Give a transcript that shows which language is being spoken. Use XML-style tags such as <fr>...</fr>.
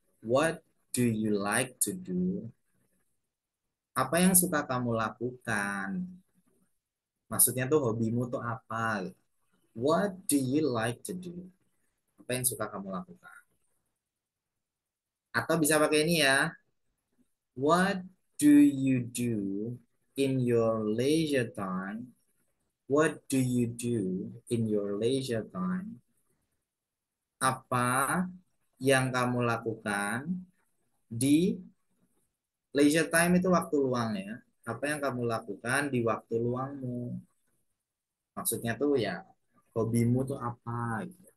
<en>What do you like to do?</en> <id>Apa yang suka kamu lakukan? Maksudnya tuh hobimu tuh apa?</id> <en>What do you like to do?</en> <id>Apa yang suka kamu lakukan? Atau bisa pakai ini ya.</id> <en>What do you do in your leisure time? What do you do in your leisure time?</en> <id>Apa yang kamu lakukan di leisure time, itu waktu luang ya. Apa yang kamu lakukan di waktu luangmu? Maksudnya tuh ya, hobimu tuh apa?</id>